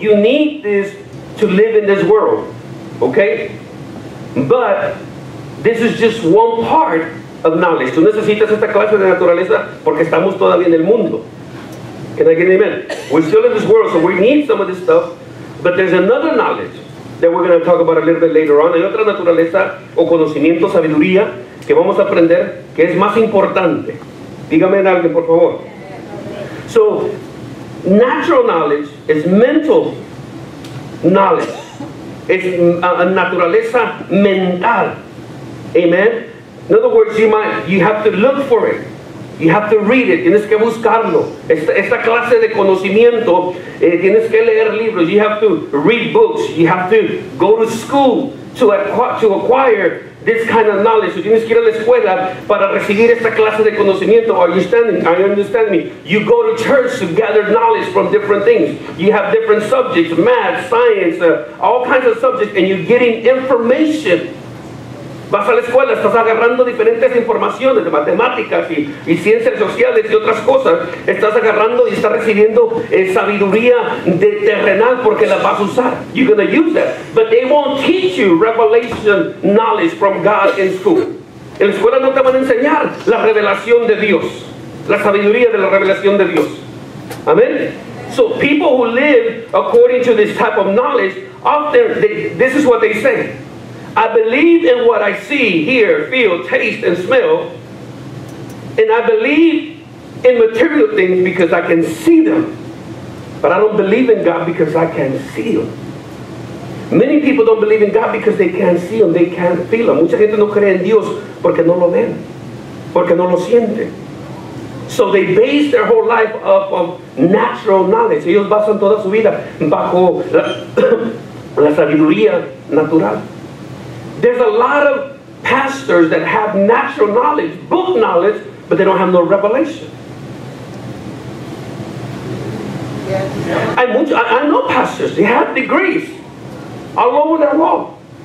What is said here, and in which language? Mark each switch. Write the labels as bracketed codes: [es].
[en] You need this to live in this world. Okay? But this is just one part of knowledge. [es] Tú necesitas esta clase de naturaleza porque estamos todavía en el mundo. [en] Can I get an amen? We're still in this world, so we need some of this stuff. But there's another knowledge that we're going to talk about a little bit later on. [es] Hay otra naturaleza o conocimiento, sabiduría, que vamos a aprender que es más importante. Dígame en alguien, por favor. [en] So, natural knowledge is mental knowledge. It's a [es] naturaleza mental. [en] Amen? In other words, you have to look for it. You have to read it. [es] Tienes que buscarlo. Esta clase de conocimiento, tienes que leer libros. [en] You have to read books. You have to go to school to acquire this kind of knowledge. [es] So tienes que ir a la escuela para recibir esta clase de conocimiento. [en] Are you understanding? Are you understanding me? You go to church to gather knowledge from different things. You have different subjects, math, science, all kinds of subjects, and you're getting information. [es] Vas a la escuela, estás agarrando diferentes informaciones de matemáticas y ciencias sociales y otras cosas. Estás agarrando y estás recibiendo sabiduría de terrenal porque la vas a usar. [en] You're going to use that. But they won't teach you revelation knowledge from God in school. [es] En la escuela no te van a enseñar la revelación de Dios. La sabiduría de la revelación de Dios. Amen. [en] So people who live according to this type of knowledge, often this is what they say. I believe in what I see, hear, feel, taste, and smell. And I believe in material things because I can see them. But I don't believe in God because I can see them. Many people don't believe in God because they can't see them, they can't feel them. [es] Mucha gente no cree en Dios porque no lo ven, porque no lo sienten. [en] So they base their whole life off of natural knowledge. [es] Ellos basan toda su vida bajo la sabiduría natural. [en] There's a lot of pastors that have natural knowledge, book knowledge, but they don't have no revelation. Yes. I know pastors, they have degrees all over the world.